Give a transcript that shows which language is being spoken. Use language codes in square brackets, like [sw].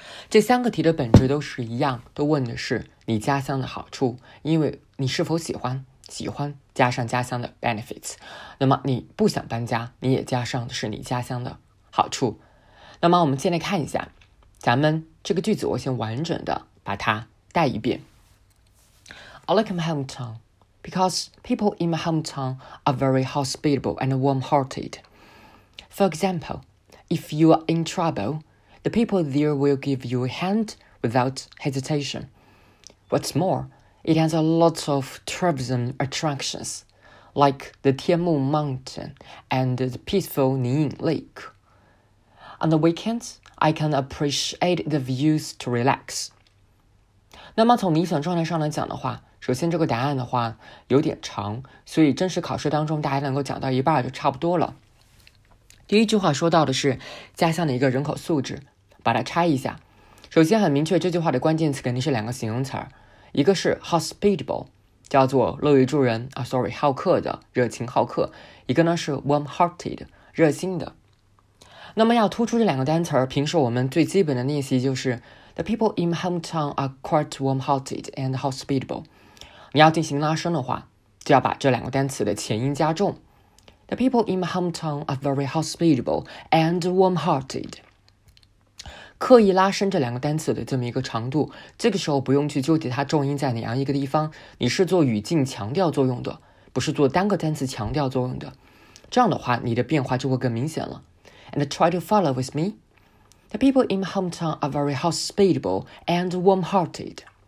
[zh] 这三个题的本质都是一样，都问的是你家乡的好处，因为你是否喜欢，喜欢加上家乡的 benefits， 那么你不想搬家，你也加上的是你家乡的好处。那么我们先来看一下，咱们这个句子我先完整的把它带一遍。 [en] I like my hometown because people in my hometown are very hospitable and warm-hearted. For example, if you are in trouble, the people there will give you a hand without hesitation. What's more,It has a lot of tourism attractions, like the Tianmu Mountain and the peaceful Ningying Lake. On the weekends, I can appreciate the views to relax. [zh] 那么从理想状态上来讲的话，首先这个答案的话有点长，所以正式考试当中大家能够讲到一半就差不多了。第一句话说到的是家乡的一个人口素质，把它拆一下。首先很明确，这句话的关键词肯定是两个形容词，一个是 hospitable， 叫做乐于助人啊 ，sorry， 好客的，热情好客。一个呢是 warm-hearted， 热心的。那么要突出这两个单词，平时我们最基本的练习就是 [en] the people in my hometown are quite warm-hearted and hospitable。 [zh] 你要进行拉伸的话，就要把这两个单词的前音加重。 [en] The people in my hometown are very hospitable and warm-hearted。 [zh] 刻意拉伸这两个单词的这么一个长度，这个时候不用去纠结它重音在哪样一个地方，你是做语境强调作用的，不是做单个单词强调作用的，这样的话你的变化就会更明显了。 [en] And try to follow with me. The people in my hometown are very hospitable and warm-hearted.